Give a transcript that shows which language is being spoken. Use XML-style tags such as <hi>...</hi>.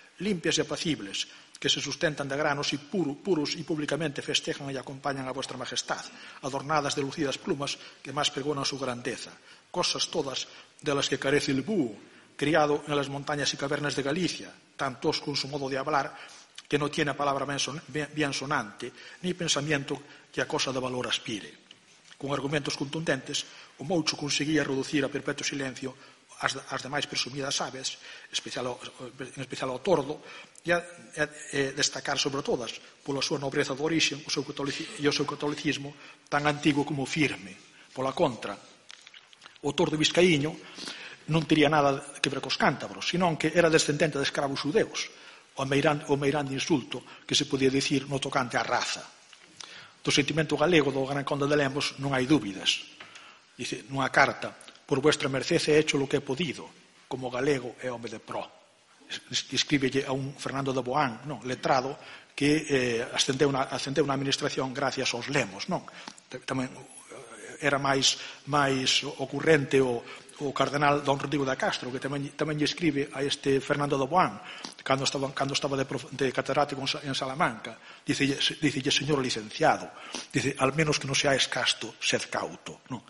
<es>limpias e apacibles, que se sustentan de granos e puros e públicamente festejan e acompañan a vuestra majestad, adornadas de lucidas plumas que más pregonan a su grandeza, cosas todas de las que carece el búho, criado en las montañas y cavernas de Galicia, tan tosco en su modo de hablar, que no tiene palabra bien sonante, ni pensamiento que a cosa de valor aspire.</es> <gl>Con argumentos contundentes, o moucho conseguía reducir a perpetuo silencio as demais presumidas aves, en especial ao tordo, e destacar sobre todas pola súa nobreza de orixen e o seu catolicismo tan antigo como firme. Pola contra, o tordo biscaíño non tería nada que ver cos cántabros, senón que era descendente de escravos xudeus, o meirán de insulto que se podía dicir no tocante á raza. Do sentimento galego do gran conde de Lemos non hai dúbidas. Dice nunha carta,</gl> <es>por vuestra merced he hecho lo que he podido,</es> <gl>como galego e home de pro. Escríbelle a un Fernando de Boán, non, letrado, que ascendeu na administración gracias aos Lemos. Non? Tamén era máis ocurrente o cardenal Don Rodrigo de Castro, que tamén escribe a este Fernando de Boán, cando estaba de catedrático en Salamanca.</gl> <es>Dice, señor licenciado, dice, al menos que non seáis casto, sed cauto, non?</es>